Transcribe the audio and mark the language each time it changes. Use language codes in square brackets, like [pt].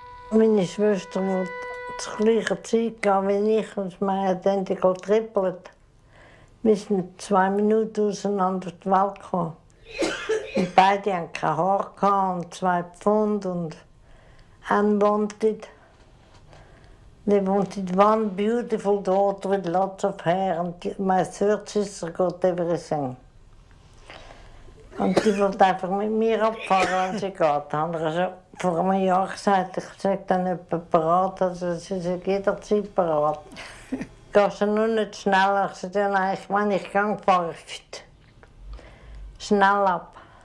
[de] Meine Schwester wollte zur gleichen Zeit gehen wie ich und mein [en] Identical Triplet. [de] Wir sind 2 Minuten auseinander auf die Welt gekommen. Und beide haben kein Haar gehabt und 2 Pfund und unwanted. [en] They wanted one beautiful daughter with lots of hair and my third sister got everything. [de] Und sie wollte einfach mit mir abfahren, wenn sie geht. Da haben wir schon vor einem Jahr gesagt, ich sage dann jemanden bereit, also sie sind jederzeit bereit. Gehst du nur nicht schneller? Ich sage, nein, ich meine, ich gehe, fahre ich heute schnell ab.